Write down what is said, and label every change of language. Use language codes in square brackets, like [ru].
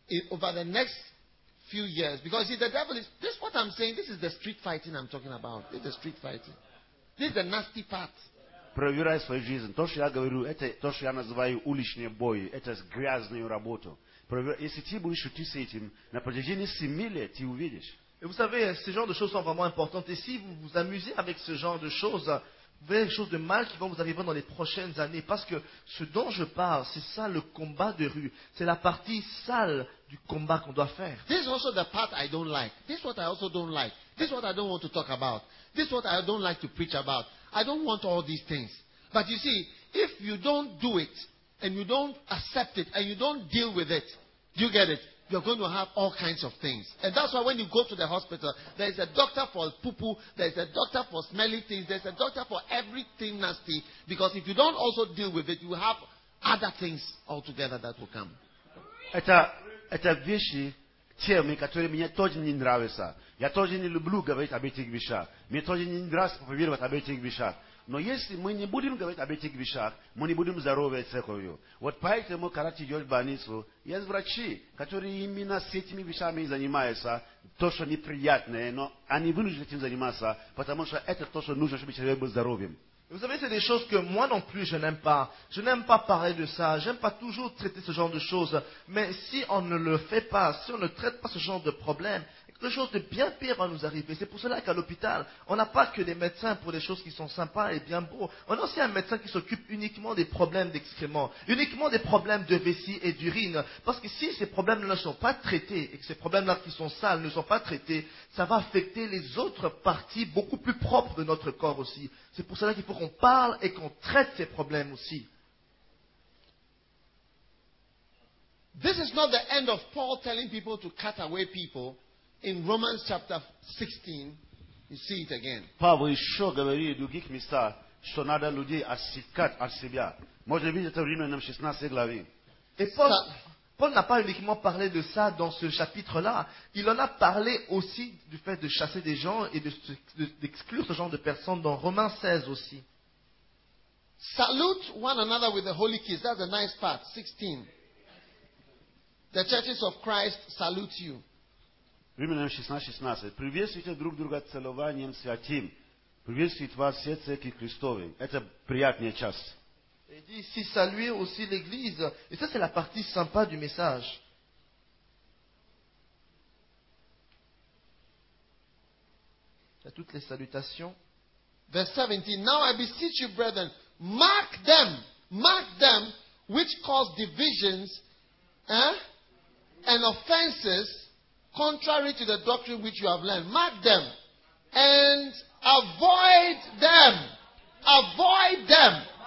[en] Over the next few years, because see, the devil is this. What I'm saying, this is the street fighting I'm talking about. This is the street fighting. This is the nasty part. [ru] Проверяй свою жизнь. То, что я говорю, это то, что я называю уличные бои. Это грязную работу. Если ты будешь идти с этим на протяжении 7 лет, ты увидишь. [fr] Et vous savez, ce genre de choses sont vraiment importantes. Et si vous vous amusez avec ce genre de choses, vous verrez des choses de mal qui vont vous arriver dans les prochaines années. Parce que ce dont je parle, c'est ça le combat de rue. C'est la partie sale du combat qu'on doit faire. [en] This is also the part I don't like. This is what I also don't like. This is what I don't want to talk about. This is what I don't like to preach about. I don't want all these things. But you see, if you don't do it, and you don't accept it, and you don't deal with it, you get it. You're going to have all kinds of things. And that's why when you go to the hospital, there's a doctor for poo-poo, there's a doctor for smelly things, there's a doctor for everything nasty. Because if you don't also deal with it, you have other things altogether that will come. [ru] Это вещи, темы, которые мне тоже не нравятся. Я тоже не люблю говорить об этих вещах. Мне тоже не нравится проповедовать об этих вещах. Но если мы не будем говорить об этих вещах, мы не будем здоровы церковью. Вот поэтому, когда ты идешь в больницу, есть врачи, которые именно с этими вещами занимаются, то, что неприятное, но они вынуждены этим заниматься, потому что это то, что нужно, чтобы человек был здоровым. [fr] Vous savez, c'est des choses que moi non plus je n'aime pas. Je n'aime pas parler de ça. J'aime pas toujours traiter ce genre de choses. Mais si on ne le fait pas, si on ne traite pas ce genre de problème, quelque chose de bien pire va nous arriver. C'est pour cela qu'à l'hôpital, on n'a pas que des médecins pour des choses qui sont sympas et bien beaux. On a aussi un médecin qui s'occupe uniquement des problèmes d'excréments, uniquement des problèmes de vessie et d'urine. Parce que si ces problèmes-là ne sont pas traités, et que ces problèmes-là qui sont sales ne sont pas traités, ça va affecter les autres parties beaucoup plus propres de notre corps aussi. C'est pour cela qu'il faut qu'on parle et qu'on traite ces problèmes aussi. [en] This is not the end of Paul telling people to cut away people. In Romans chapter 16, you see it again. [ru] Павел еще говорит в других местах, что надо людей отсекать от себя. Можно видеть это в Римлянам 16 главе. [fr] Et Paul n'a pas uniquement parlé de ça dans ce chapitre-là. Il en a parlé aussi du fait de chasser des gens et d'exclure ce genre de personnes dans Romains 16 aussi. [en] Salute one another with the holy kiss. That's a nice part, 16. The churches of Christ salute you. [ru] Римлянам 16:16. Приветствуйте друг друга целованием святым. Приветствует вас все церкви Христовы. Это приятная часть. [fr] Il dit ici saluer aussi l'église. Et ça, c'est la partie sympa du message. Il y a toutes les salutations. [en] Verse 17. Now I beseech you, brethren, mark them which cause divisions and offenses. Contrary to the doctrine which you have learned, mark them and avoid them. Avoid them